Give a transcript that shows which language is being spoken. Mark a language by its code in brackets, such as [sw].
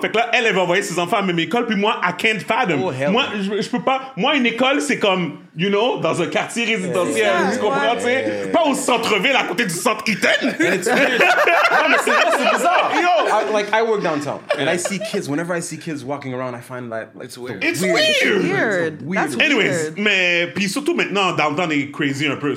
[fr] Fait que là, elle va envoyer ses enfants à la même école. Puis moi, [en] I can't fathom. [fr] Je peux pas. Moi, une école, c'est comme, [en] you know, [fr] dans un quartier résidentiel. Yeah, tu comprends, tu sais? Pas au centre-ville, à côté du centre Eaton. c'est bizarre. [en] Yo. I work downtown. And I see kids. Whenever I see kids walking around, I find that it's weird. It's weird. That's weird. [fr] Anyways, mais, puis surtout maintenant, downtown est crazy un peu.